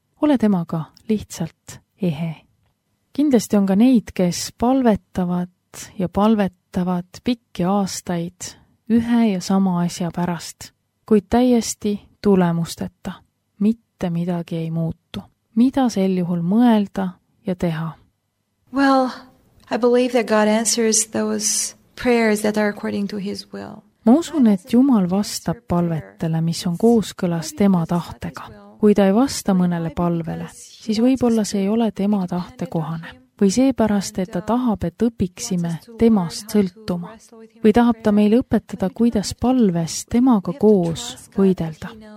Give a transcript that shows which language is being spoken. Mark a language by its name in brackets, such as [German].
[Estonian] Ole temaga lihtsalt ehe. Kindlasti on ka neid, kes palvetavad ja palvetavad pikki aastaid ühe ja sama asja pärast, kuid täiesti tulemusteta. Mitte midagi ei muutu. Mida sel juhul mõelda ja teha? [English] Well, I believe that God answers those prayers that are according to his will. [Estonian] Ma usun, et Jumal vastab palvetele, mis on kooskõlas tema tahtega. Kui ta ei vasta mõnele palvele, siis võib-olla see ei ole tema tahte kohane. Või seepärast, et ta tahab, et õpiksime temast sõltuma. Või tahab ta meile õpetada, kuidas palves temaga koos võidelda.